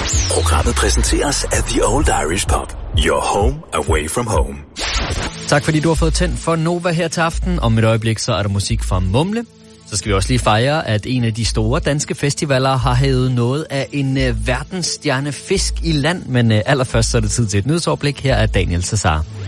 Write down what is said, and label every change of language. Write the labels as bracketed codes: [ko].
[da] Programmet præsenteres af The Old Irish Pub. [en] Your home away from home. [da] Tak fordi du har fået tændt for Nova her til aften. Om et øjeblik så er der musik fra Mumle. Så skal vi også lige fejre, at en af de store danske festivaler har hævet noget af en verdensstjerne fisk i land. Men allerførst så er det tid til et nyhedsoverblik. Her er Daniel Cesar.